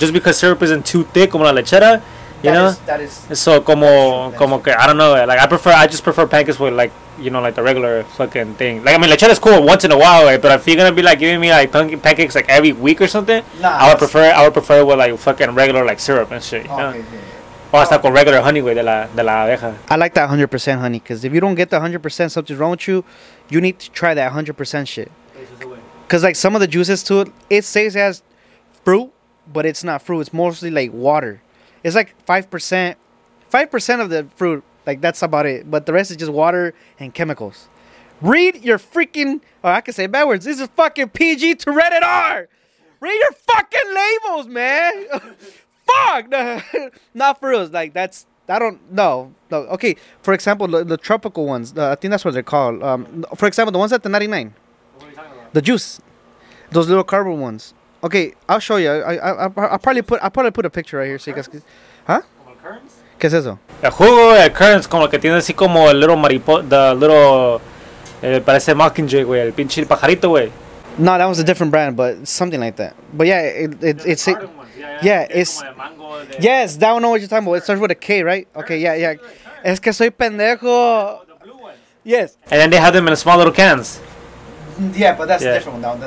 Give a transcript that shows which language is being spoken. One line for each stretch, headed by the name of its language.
English: Just because syrup isn't too thick,
Spanish: como la lechera,
English: you know? That is... So,
Spanish: como que,
English: I don't know. Like, I just prefer pancakes with, like... You know, like the regular fucking thing. Like, I mean, lechera is cool once in a while, right? But if you're gonna be like giving me like pancakes like every week or something, nah, I would prefer it with like fucking regular like syrup and shit. You know? Okay. Or
Spanish: hasta con
English: regular honey,
Spanish: güey, de la abeja.
English: I like that 100% honey, because if you don't get the 100%, something's wrong with you. You need to try that 100% shit. Because like some of the juices to it, it says it has fruit, but it's not fruit. It's mostly like water. It's like 5% of the fruit. Like, that's about it. But the rest is just water and chemicals. Read your freaking... Oh, I can say bad words. This is fucking PG to Reddit R. Read your fucking labels, man. Fuck. Not for real. Like, that's... I don't... No. Okay. For example, the tropical ones. I think that's what they're called. For example, the ones at the 99. What are you talking about? The juice. Those little cardboard ones. Okay. I'll show you. I'll probably put a picture right here. So you guys can... Huh?
Spanish: ¿Qué es eso? El jugo de currants como que tiene así como el little mariposa,
English: the little,
Spanish: parece mockingjay, güey, el pinche pajarito, güey.
English: No, that was a different brand, but something like that. But yeah, it's the it, yeah, yeah, it's mango, yes, that one. Know what you're talking about? It starts with a K, right? Okay, yeah, yeah.
Spanish: Es que soy pendejo.
English: The blue ones. Yes. And then they have them in small little cans. Yeah, but that's a different one.